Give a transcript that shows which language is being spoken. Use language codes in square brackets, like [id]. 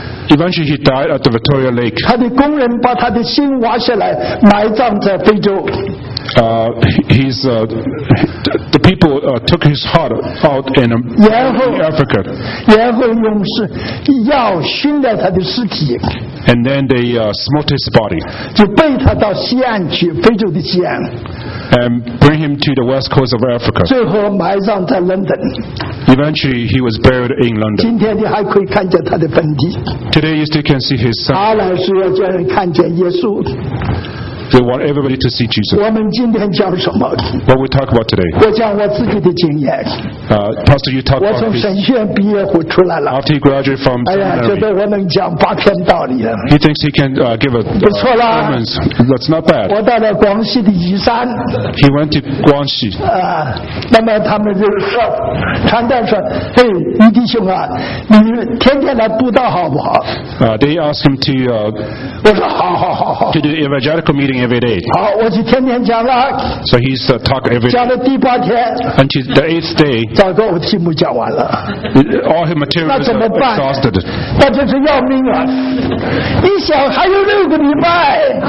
[en] Eventually he died at the Victoria Lake. [zh] 他的工人把他的心挖下来埋葬在非洲, [en] he's the people took his heart out in Africa. [zh] 然后用药熏了他的尸体。 [en] And then they smote his body. [zh] 就背他到西岸去，非洲的西岸。 [en] And bring him to the west coast of Africa. [zh] 最后埋葬在 London. [en] Eventually, he was buried in London. [zh] 今天你还可以看见他的坟地。 [en] Today, you still can see his son. [zh] 阿兰说要叫人看见耶稣。 [en] They want everybody to see Jesus. [zh] 我们今天讲什么？ [en] What we talk about today? [zh] 我讲我自己的经验。 [en] Pastor, you talk about this. After he graduated from seminary, he thinks he can give a sermon. That's not bad. [zh] 我到了广西的宜山。 [en] He went to Guangxi. [zh] 那么他们就说，传道说， 嘿，余弟兄啊， 你天天来布道好不好？ [en] They asked him to [zh] 我说好好好好。 [en] To do evangelical meeting every day. [zh] 好，我就天天讲了。 [en] So he's talk every day. [zh] 讲了第八天。 [en] Until the eighth day. [zh] 糟糕，我题目讲完了。 [en] All his materials are exhausted. [zh] 那真是要命啊！一想还有六个礼拜。